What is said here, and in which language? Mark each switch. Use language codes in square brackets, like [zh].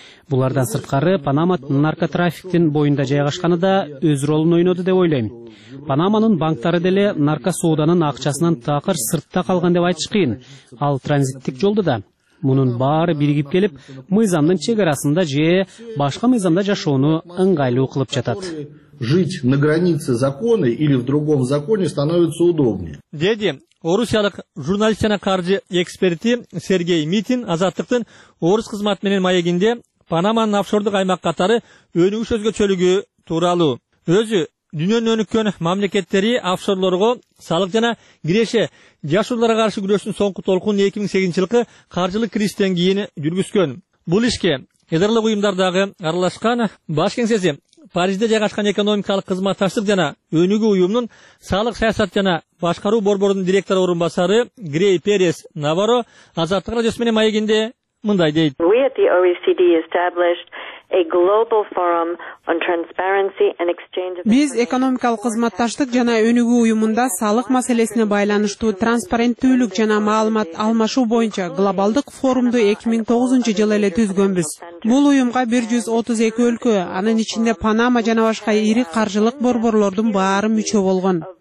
[ky] Булардан сырткары Панама наркотрафиктин боюнда жайгашканы да өз ролун ойноду деп ойлойм. Панаманын банктары деле наркосоуданын акчасынан такыр сыртта калган деп айтыш кыйын. Ал транзиттик жолдо да. Мунун баары биригип келип, мыйзамдын чек арасында же башка мыйзамда жашоону ыңгайлуу кылып жатат. [ru] Жить на границе закона или в другом законе становится удобнее. [ky] Деди орусиялык журналист жана каржы эксперти Сергей Митин азаттыктын орус кызматы менен маегинде Панаманын офшордук аймак катары өнүгүш өзгөчөлүгү тууралуу. Өзү дүйнөнүн өнүккөн мамлекеттери офшорлорго салык жана киреше жашоолорго каршы күрөштүн соңку толкун 2008 жылкы каржылык кризистен кийин жүргүзгөн. Бул ишке эдерлик уюмдар дагы аралашкан. Баш кеңсеси Парижде жайгашкан экономикалык кызматташтык жана өнүгүү уюмунун салык саясат жана башкаруу борборунун директору орун басары Грей Перес Наваро азаттык радиосу менен маегинде мындай дейт. [en] We at the OECD established a global forum on transparency and exchange of. [ky] Биз экономикалык кызматташтык жана өнүгүү уюмунда салык маселесине байланыштуу транспаренттүүлүк жана маалымат алмашуу боюнча глобалдык форумду 2009 жылы эле түзгөнбүз. Бул уюмга 132 өлкө, анын ичинде Панама жана башка ири каржылык борборлордун баары мүчө болгон.